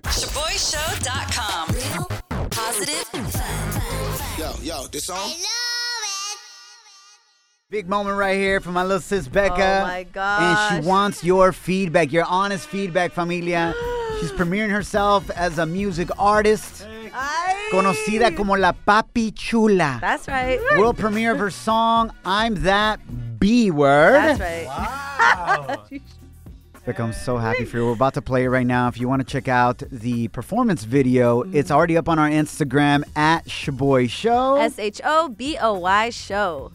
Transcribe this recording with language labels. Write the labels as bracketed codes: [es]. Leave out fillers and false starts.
[en] ShaboyShow.com. Real, positive, Yo, this song? Big moment right here for my little sis, Becca. Oh, my gosh. And she wants your feedback, your honest feedback, familia. She's premiering herself as a music artist. Hey. [es] Conocida como la Papi Chula. [en] That's right. World premiere of her song, I'm That B-Word. That's right. Wow. Becca, I'm so happy for you. We're about to play it right now. If you want to check out the performance video, it's already up on our Instagram, at Shaboy Show. S-H-O-B-O-Y Show.